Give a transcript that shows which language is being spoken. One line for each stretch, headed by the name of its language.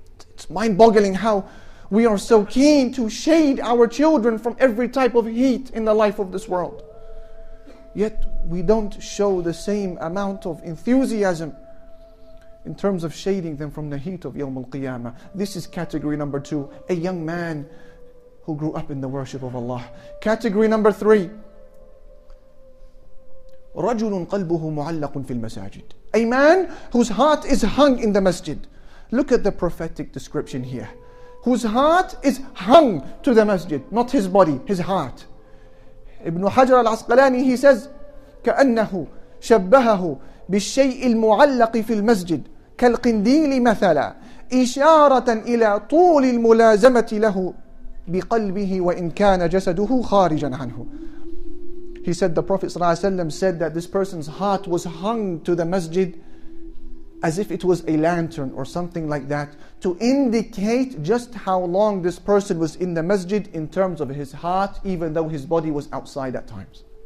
English: It's mind-boggling how we are so keen to shade our children from every type of heat in the life of this world. Yet we don't show the same amount of enthusiasm in terms of shading them from the heat of Yawm al-Qiyamah. This is category number two, a young man who grew up in the worship of Allah. Category number three,
Arabic: رَجُلٌ قَلْبُهُ مُعَلَّقٌ فِي الْمَسَاجِدِ.
English: A man whose heart is hung in the masjid. Look at the prophetic description here. Whose heart is hung to the masjid, not his body, his heart.
Arabic: Ibn Hajar al-Asqalani,
English: he says,
Arabic: كَأَنَّهُ شَبَّهَهُ بِالشَّيْءِ الْمُعَلَّقِ فِي الْمَسْجِدِ كَالْقِنْدِيلِ مَثَلًا إِشَارَةً إِلَى طُولِ الْمُلَازَمَةِ لَهُ بِقَلْبِهِ وَإِنْ كَانَ جَسَدُهُ خَارِجًا عَنْهُ.
English: He said the Prophet ﷺ said that this person's heart was hung to the masjid as if it was a lantern or something like that, to indicate just how long this person was in the masjid in terms of his heart, even though his body was outside at times.